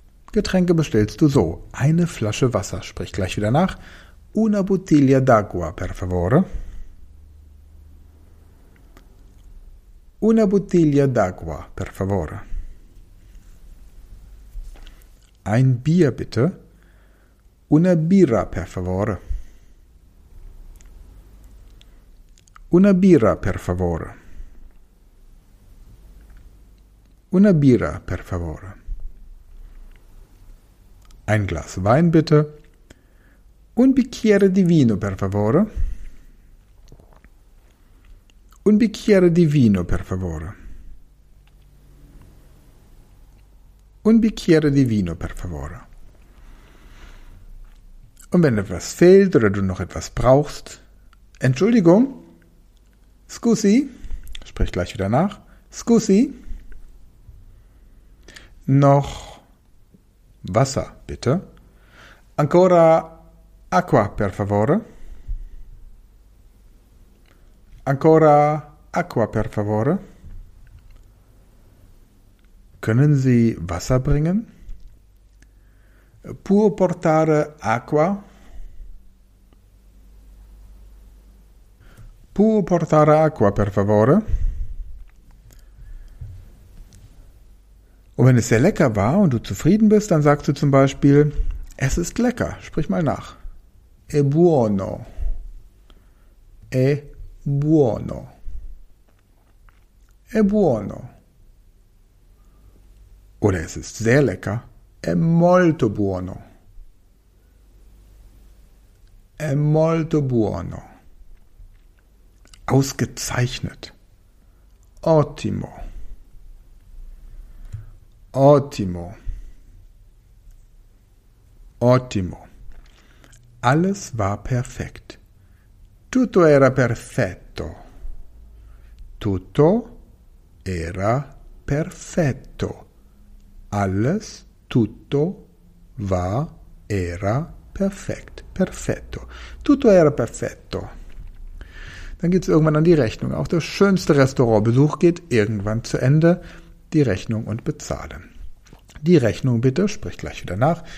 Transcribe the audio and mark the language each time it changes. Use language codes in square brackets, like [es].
[de] Getränke bestellst du so. Eine Flasche Wasser. Sprich gleich wieder nach. [it] Una bottiglia d'acqua, per favore. Una bottiglia d'acqua, per favore. [de] Ein Bier, bitte. [it] Una birra, per favore. Una birra, per favore. Una birra, per favore. [de] Ein Glas Wein, bitte. [it] Un bicchiere di vino, per favore. Un bicchiere di vino, per favore. Un bicchiere di vino, per favore. [de] Und wenn etwas fehlt oder du noch etwas brauchst, Entschuldigung, scusi, sprich gleich wieder nach, scusi, noch Wasser, bitte. [it] Ancora acqua, per favore. Ancora acqua, per favore. [de] Können Sie Wasser bringen? [it] Può portare acqua? Può portare acqua, per favore? [de] Und wenn es sehr lecker war und du zufrieden bist, dann sagst du zum Beispiel, es ist lecker. Sprich mal nach. [it] È buono. È buono. È buono. [de] Oder es ist sehr lecker. [it] È molto buono. È molto buono. Ausgezeichnet. Ottimo. Ottimo. [de] Ottimo. Alles war perfekt. [it] Tutto era perfetto. Tutto era perfetto. Alles, tutto, war, era, perfekt. Perfetto. Tutto era perfetto. [de] dann geht es irgendwann an die Rechnung. Auch der schönste Restaurantbesuch geht irgendwann zu Ende. Die Rechnung und bezahlen. Die Rechnung bitte, sprich gleich wieder nach.